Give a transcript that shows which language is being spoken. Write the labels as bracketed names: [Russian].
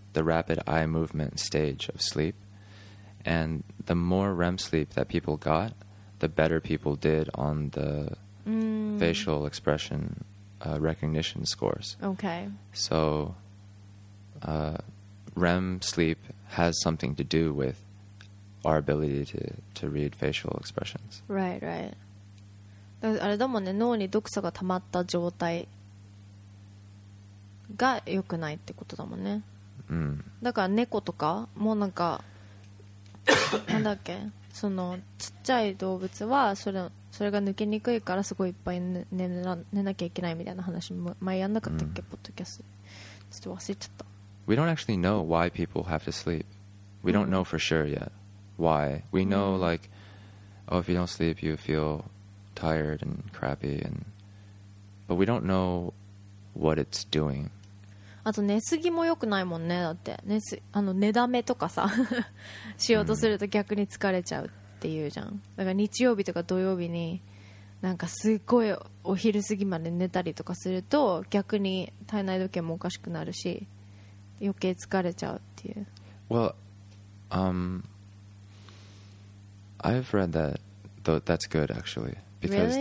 [English] The rapid eye movement stage of sleep, and the more REM sleep that people got, the better people did on the facial expression recognition scores. Okay. So, REM sleep has something to do with our ability to read facial expressions. Right, right. [Japanese] あれだもんね、脳に毒素が溜まった状態が良くないってことだもんね。だから猫とかもなんかなんだっけ、そのちっちゃい動物はそれが抜けにくいからすごいいっぱい寝なきゃいけないみたいな話も前やんなかったっけ、ポッドキャストちょっと忘れちゃった。 [English] We don't actually know why people have to sleep. We don't know for sure yet why. We know like, oh, if you don't sleep you feel tired and crappy and, but we don't know what it's doing. [Japanese] あと寝すぎも良くないもんね。だって あの寝だめとかさしようとすると逆に疲れちゃうっていうじゃん。だから日曜日とか土曜日になんかすごいお昼過ぎまで寝たりとかすると逆に体内時計もおかしくなるし余計疲れちゃうっていう。 [English] Well, I've read that though that's good actually because、